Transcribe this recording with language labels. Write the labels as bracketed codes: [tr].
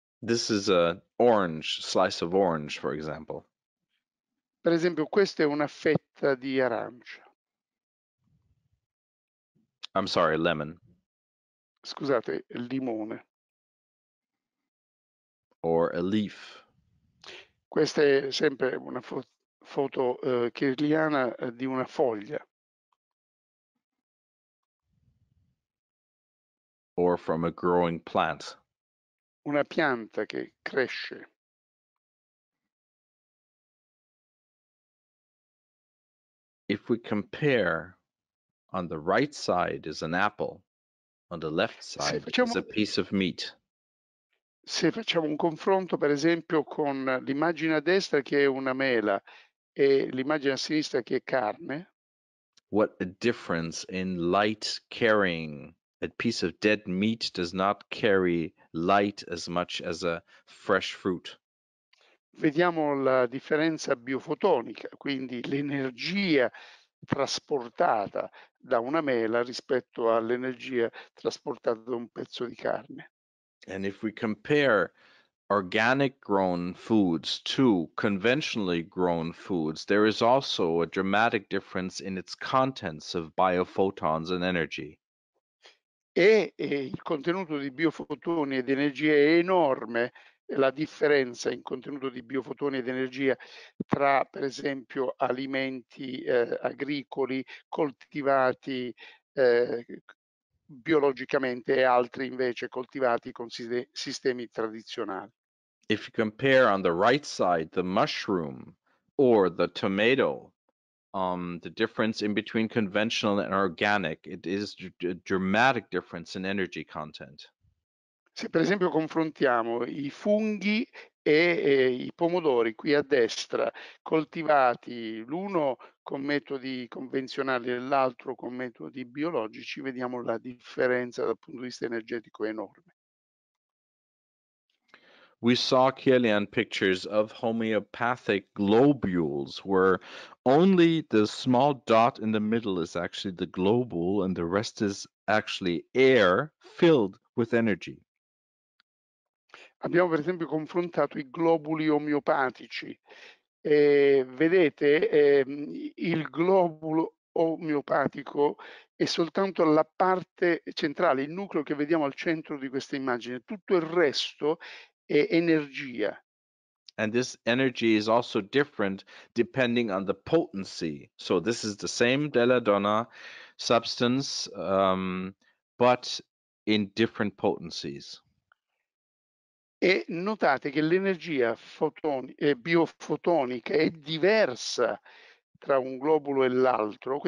[en] This is a orange, slice of orange, for example. [it] Per esempio, questa è una fetta di arancia. [en] I'm sorry, lemon. [it] Scusate, limone. [en] Or a leaf. [it] Questa è sempre una foto kirliana di una foglia. [en] Or from a growing plant. [it] Una pianta che cresce. [en] If we compare, on the right side is an apple, on the left side is a piece of meat. [it] Se facciamo un confronto, per esempio, con l'immagine a destra che è una mela e l'immagine a sinistra che è carne. [en] What a difference in light carrying. A piece of dead meat does not carry light as much as a fresh fruit. [it] Vediamo la differenza biofotonica, quindi l'energia trasportata da una mela rispetto all'energia trasportata da un pezzo di carne. [en] And if we compare organic grown foods to conventionally grown foods, there is also a dramatic difference in its contents of biophotons and energy. [it] E il contenuto di biofotoni ed energia è enorme, la differenza in contenuto di biofotoni ed energia tra, per esempio, alimenti agricoli coltivati biologicamente e altri invece coltivati con sistemi tradizionali. [en] If you compare on the right side the mushroom or the tomato, the difference in between conventional and organic, it is a dramatic difference in energy content. [it] Se per esempio confrontiamo i funghi e i pomodori qui a destra coltivati l'uno con metodi convenzionali e l'altro con metodi biologici, vediamo la differenza dal punto di vista energetico enorme. [en] We saw, Kielian, pictures of homeopathic globules where only the small dot in the middle is actually the globule and the rest is actually air filled with energy. [it] Abbiamo per esempio confrontato i globuli omeopatici. Vedete, il globulo omeopatico è soltanto la parte centrale, il nucleo che vediamo al centro di questa immagine. Tutto il resto è energia. [en] And this energy is also different depending on the potency. So this is the same della donna substance, but in different potencies. [it] E notate che l'energia biofotonica è diversa tra un globulo e l'altro.